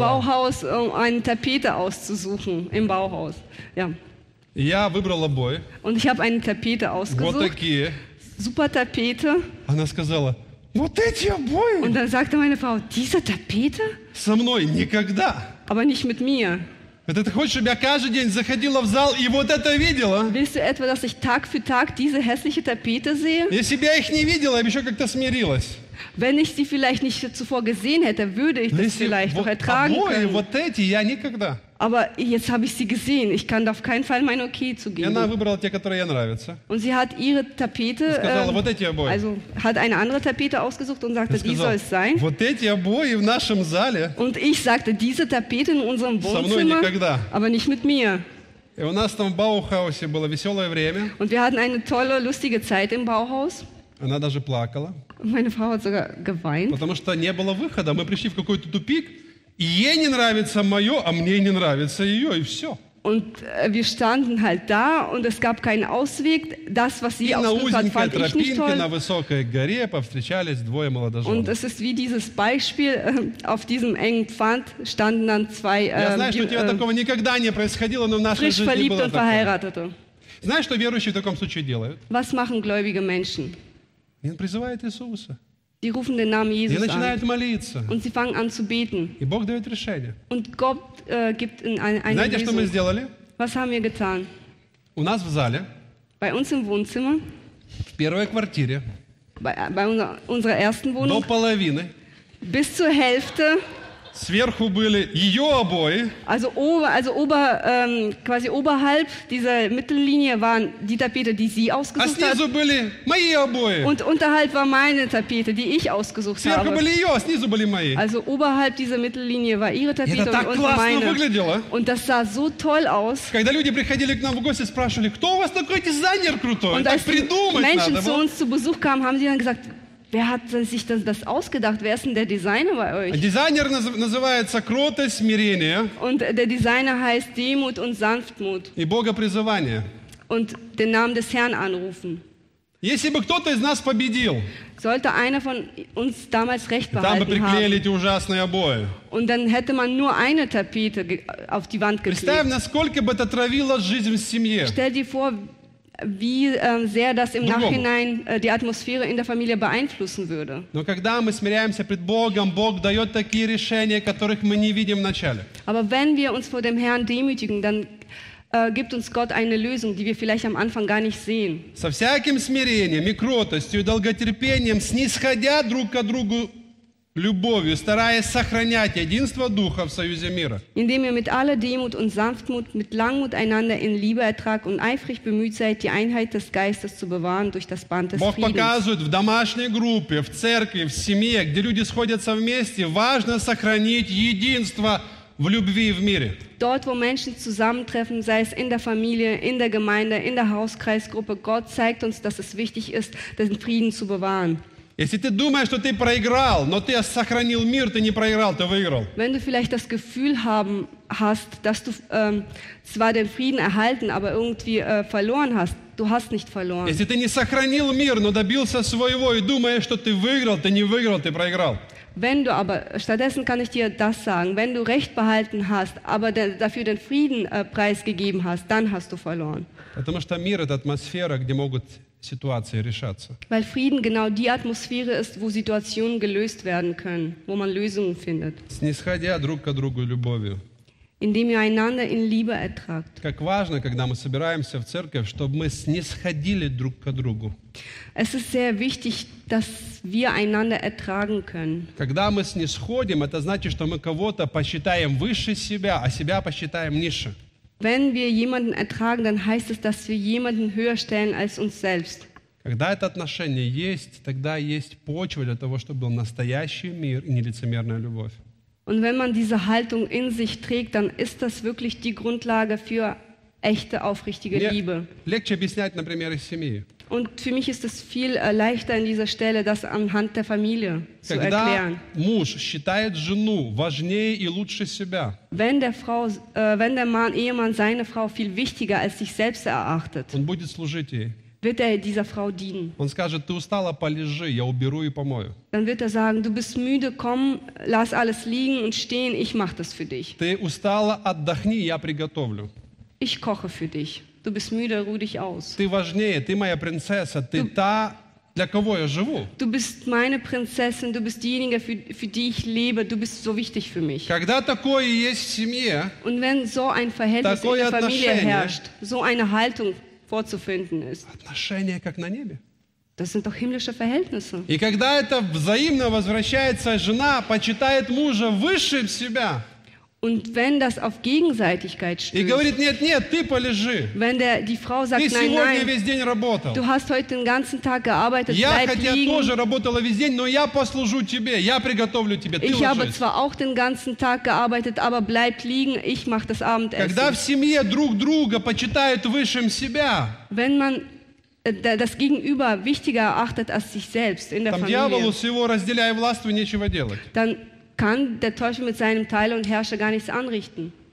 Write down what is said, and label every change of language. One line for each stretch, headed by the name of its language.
German: Bauhaus, um eine Tapete auszusuchen im Bauhaus. Ja.
Russian: Я выбрал обои,
German: und ich habe eine Tapete ausgesucht.
Russian: Вот такие.
German: Super Tapete.
Russian: Она сказала... Вот эти обои.
German: Und dann sagte meine Frau, diese Tapete?
Russian: Со мной никогда.
German: Aber nicht mit mir.
Russian: Это ты хочешь, чтобы я каждый день заходила в зал и вот это видела?
German: Willst du etwa, dass ich Tag für Tag diese hässliche Tapete sehe?
Russian: Если бы я их не видела, я бы еще как-то смирилась.
German: Wenn ich sie vielleicht nicht zuvor gesehen hätte, würde ich das vielleicht noch ertragen können.
Russian: Вот эти, я никогда.
German: Aber jetzt habe ich sie gesehen. Ich kann auf keinen Fall mein Okay zugeben.
Russian: И она выбрала те, которые ей нравятся.
German: Und sie hat ihre Tapete,
Russian: сказала, вот эти обои.
German: Also hat eine andere Tapete ausgesucht und sagte,
Russian: сказала,
German: die soll es sein.
Russian: Вот эти обои в нашем зале.
German: Und ich sagte, diese Tapete in unserem Wohnzimmer, aber nicht mit mir.
Russian: И у нас там в Баухаусе было веселое время.
German: Und wir hatten eine tolle, lustige Zeit im Bauhaus.
Russian: Она даже плакала.
German: Meine Frau hat sogar geweint.
Russian: Потому что не было выхода. Мы пришли в какой-то тупик. Ей не нравится мое, а мне не нравится ее, и все.
German: Und wir standen halt da, und es gab keinen Ausweg. Das, was sie ausgesucht hat, fand ich nicht toll.
Russian: На высокой горе повстречались двое молодожен.
German: Und es ist wie dieses Beispiel, auf diesem engen Pfand standen dann zwei frisch verliebte und verheiratete.
Russian: Знаешь, что верующие в таком случае делают?
German: Was machen gläubige Menschen?
Russian: Он призывает Иисуса.
German: Die rufen den Namen Jesus an. Die начинают молиться. Und sie fangen an zu beten.
Russian: И Бог дает решение.
German: Und Gott gibt eine
Russian: Знаете, что мы сделали?
German: Was haben wir getan?
Russian: У нас в зале.
German: Bei uns im Wohnzimmer.
Russian: В первой квартире.
German: Bei unserer ersten Wohnung.
Russian: До половины.
German: Bis zur Hälfte.
Russian: Сверху были ее обои.
German: Also ober, quasi oberhalb dieser Mittellinie waren die Tapete, die sie ausgesucht hat.
Russian: А снизу были мои обои.
German: Und unterhalb war meine Tapete, die ich ausgesucht
Russian: Сверху
German: habe.
Russian: Были ее, а снизу были мои.
German: Also oberhalb dieser Mittellinie war ihre Tapete
Russian: Это
German: und meine.
Russian: Выглядело.
German: Und das sah so toll aus.
Russian: Когда люди приходили к нам в гости, спрашивали, кто у вас такой дизайнер крутой?
German: Und
Russian: так придумать
German: Menschen
Russian: надо
German: zu uns zu Besuch kamen, haben sie dann gesagt, wer hat sich das ausgedacht? Wer ist denn der Designer bei euch?
Russian: Designer называется кротость, смирение.
German: Und der Designer heißt Demut und Sanftmut.
Russian: И Бога призывание.
German: Und den Namen des Herrn anrufen.
Russian: Если бы кто-то из нас победил,
German: sollte einer von uns damals recht behalten
Russian: haben, dann приклеили эти ужасные обои.
German: Und dann hätte man nur eine Tapete auf die Wand geklebt.
Russian: Представь, насколько бы это травило жизнь в семье.
German: Stell dir vor, wie sehr das im Nachhinein die Atmosphäre in der Familie beeinflussen würde.
Russian: Но когда мы смиряемся пред Богом, Бог дает такие решения, которых мы не видим вначале.
German: Aber wenn wir uns vor dem Herrn demütigen, dann gibt uns Gott eine Lösung, die wir vielleicht am Anfang gar nicht sehen.
Russian: Со всяким смирением и кротостью, долготерпением, снисходя друг к другу любовью, стараясь сохранять единство Духа в союзе мира.
German: Indem ihr mit aller Demut und Sanftmut, mit Langmut einander in Liebe ertragt und eifrig bemüht seid, die Einheit des Geistes zu bewahren durch das Band des Friedens.
Russian: Бог показывает в домашней группе, в церкви, в семье, где люди сходятся вместе, важно сохранить единство в любви и в мире.
German: Dort, wo Menschen zusammentreffen, sei es in der Familie, in der Gemeinde, in der Hauskreisgruppe, Gott zeigt uns, dass es wichtig ist, den Frieden zu bewahren.
Russian: Если ты думаешь, что ты проиграл, но ты сохранил мир, ты не проиграл, ты выиграл.
German: Wenn du vielleicht das Gefühl haben hast, dass du zwar den Frieden erhalten, aber irgendwie verloren hast, du hast nicht verloren.
Russian: Если ты не сохранил мир, но добился своего и думаешь, что ты выиграл, ты не выиграл, ты проиграл.
German: Wenn du aber, stattdessen kann ich dir das sagen, wenn du Recht behalten hast, aber dafür den Frieden preisgegeben hast, dann hast du verloren.
Russian: Потому что мир – это атмосфера, где могут ситуации решаться.
German: Weil Frieden genau die Atmosphäre ist, wo Situationen gelöst werden können, wo man Lösungen findet.
Russian: Снисходя друг к другу любовью.
German: Indem ihr einander in Liebe ertragt.
Russian: Как важно, когда мы собираемся в церковь, чтобы мы снисходили друг к другу.
German: Es ist sehr wichtig, dass wir einander ertragen können.
Russian: Когда мы снисходим, это значит, что мы кого-то посчитаем выше себя, а себя посчитаем ниже.
German: Wenn wir jemanden ertragen, dann heißt es, dass wir jemanden höher stellen als uns selbst.
Russian: Когда это отношение есть, тогда есть почва для того, чтобы был настоящий мир и нелицемерная любовь.
German: Und wenn man diese Haltung in sich trägt, dann ist das wirklich die Grundlage für echte, aufrichtige Liebe.
Russian: Легче объяснять на примере семьи.
German: Und für mich ist es viel leichter an dieser Stelle, das anhand der Familie
Russian: Когда
German: zu erklären.
Russian: Муж считает жену важнее и лучше себя.
German: Wenn der Mann, Ehemann seine Frau viel wichtiger als sich selbst erachtet,
Russian: он будет служить ей.
German: Wird er dieser Frau dienen?
Russian: Он скажет, ты устала, полежи, я уберу и помою.
German: Dann wird er sagen, du bist müde, komm, lass alles liegen und stehen, ich mach das für dich.
Russian: Ты устала, отдохни, я приготовлю.
German: Ich koche für dich. Du bist müde, ruh dich aus.
Russian: Ты важнее, ты моя принцесса, ты та, для кого я живу.
German: Du bist meine Prinzessin, du bist diejenige, für die ich lebe, du bist so wichtig für mich.
Russian: Когда такое есть в семье,
German: und wenn so ein Verhältnis in der Familie herrscht, so eine Haltung vorzufinden ist.
Russian: Отношения как на небе.
German: Das sind doch himmlische Verhältnisse.
Russian: И когда это взаимно возвращается, жена почитает мужа выше себя.
German: Und wenn das auf Gegenseitigkeit stößt.
Russian: И говорит, нет, нет, ты полежи.
German: Wenn die Frau sagt,
Russian: ты сегодня
German: nein,
Russian: весь день работал.
German: Du hast heute den ganzen Tag gearbeitet,
Russian: я
German: bleib
Russian: хотя
German: liegen.
Russian: Тоже работала весь день, но я послужу тебе, я приготовлю тебе,
German: ich habe zwar auch den ganzen Tag gearbeitet, aber bleib liegen, ich mach das Abendessen.
Russian: Когда в семье друг друга почитают выше себя.
German: Wenn man das Gegenüber wichtiger erachtet als sich selbst in der
Russian: там
German: Familie.
Russian: Дьяволу с его разделяй властью нечего делать.
German: Dann kann der Teufel mit seinem Teil und Herrscher gar nichts anrichten.